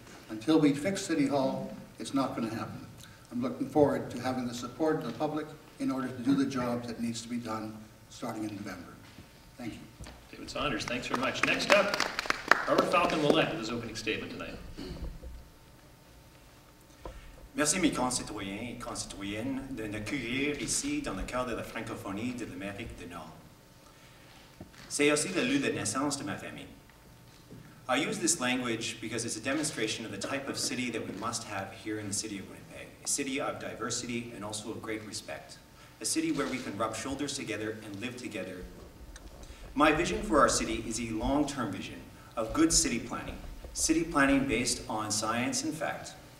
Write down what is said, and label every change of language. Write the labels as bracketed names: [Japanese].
[English] Until we fix City Hall, it's not going to happen. I'm looking forward to having the support of the public in order to do the job that needs to be done starting in November. Thank you. David Saunders, thanks very much. Next up, Robert-Falcon, Ouellette, his opening statement tonight. [French] Merci, mes concitoyens et concitoyennes, de nous accueillir ici dans le cœur de la francophonie de l'Amérique du Nord. C'est aussi le lieu de naissance de ma famille. [English] I use this language because it's a demonstration of the type of city that we must have here in the city of Winnipeg, a city of diversity and also of great respect, a city where we can rub shoulders together and live together. My vision for our city is a long-term vision of good city planning based on science and fact.